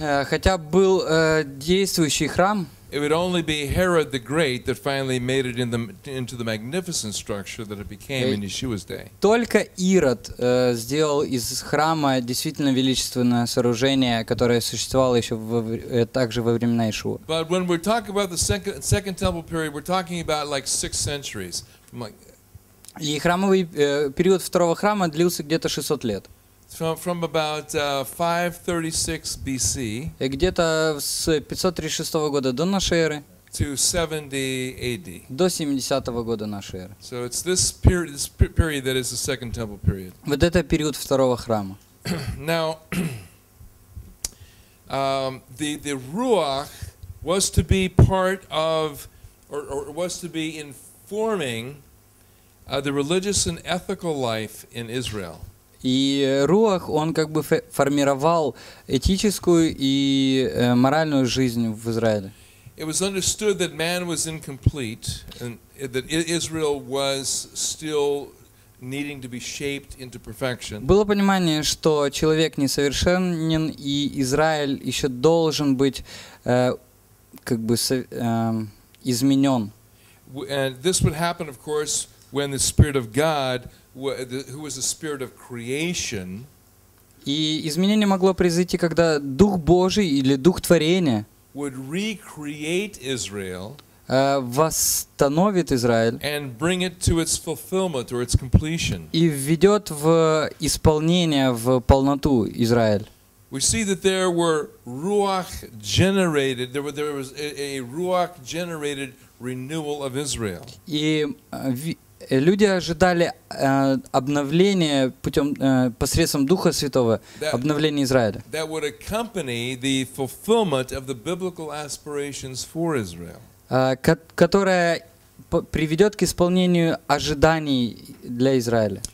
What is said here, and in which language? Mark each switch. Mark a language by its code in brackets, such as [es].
[ru] Хотя был действующий храм, [en] it would only be Herod the Great that finally made it into the magnificent structure that it became in Yeshua's day. [ru] Только Ирод сделал из храма действительно величественное сооружение, которое существовало еще также во времена Иешуа. [en] But when we're talking about the second temple period, we're talking about like 6 centuries. [ru] И храмовый период второго храма длился где-то 600 лет. [en] From about 536 BC. [ru] Где-то с 536 года до нашей эры. [en] To 70 AD. [ru] До 70 года нашей эры. [en] So it's this period that is the Second Temple period. [ru] Вот это период второго храма. [en] Now, the Ruach was to be part of, or was to be informing the religious and ethical life in Israel. [ru] И Руах, он как бы формировал этическую и моральную жизнь в Израиле. [en] It was understood that man was incomplete and that Israel was still needing to be shaped into perfection. [ru] Было понимание, что человек несовершенен, и Израиль еще должен быть изменен. [en] And this would happen, of course, when the Spirit of God, who was the Spirit of creation. [ru] И изменение могло произойти, когда Дух Божий или Дух Творения [en] would recreate Israel, [ru] восстановит Израиль, [en] and bring it to its fulfillment or its completion. [ru] И введет в исполнение, в полноту Израиль. [en] We see that there were ruach generated, there was a ruach generated renewal of Israel. [ru] И люди ожидали обновления путем посредством Духа Святого, обновления Израиля. [en] That would accompany the fulfillment of the biblical aspirations for Israel. [ru] Которая приведет к исполнению ожиданий для Израиля.